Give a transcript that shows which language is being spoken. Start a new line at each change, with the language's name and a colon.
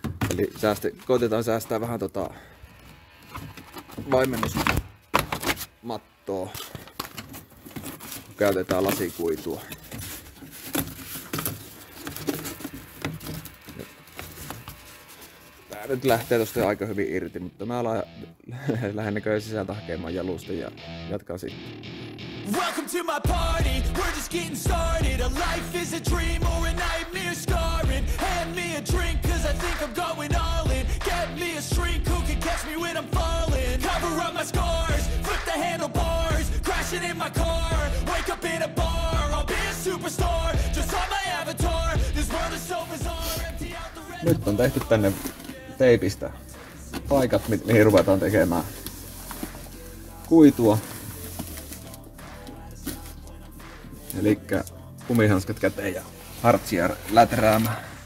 Finnish: Eli koitetaan säästää vähän vaimennusmattoa, kun käytetään lasikuitua. Tää nyt lähtee tosta aika hyvin irti, mutta mä lähden näköjään sisältä hakemaan jalusta ja jatkan sitten.
English: Welcome to my party, we're just getting started. A life is a dream or a nightmare scarring. Hand me a drink cause I think I'm going all in. Get me a shrink who can catch me when I'm falling. Cover up my scars, flip the handlebars. Crashing in my car, wake up in a bar. I'll be a superstar, just on my avatar. This world is so bizarre, empty out the red.
Finnish: Nyt on tehty tänne teipistä paikat, mihin ruvetaan tekemään kuitua. Eli kumihanskat käteen ja hartsia läträämään.